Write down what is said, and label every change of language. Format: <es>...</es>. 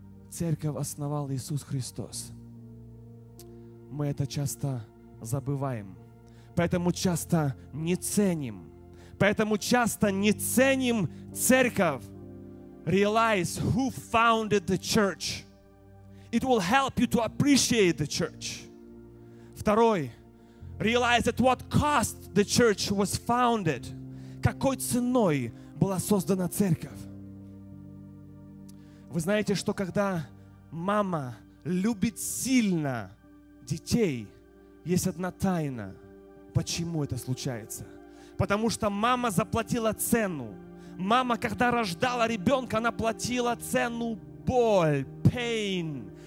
<ru>Церковь основал Иисус Христос. Мы это часто забываем. Поэтому часто не ценим. Поэтому часто не ценим церковь.</ru> <en>Realize who founded the church. It will help you to appreciate the church.</en> <ru>Второй.</ru> <en>Realize at what cost the church was founded.</en> <ru>Какой ценой была создана церковь. Вы знаете, что когда мама любит сильно детей, есть одна тайна, почему это случается. Потому что мама заплатила цену. Мама, когда рождала ребенка, она платила цену боль,</ru> <en>pain.</en>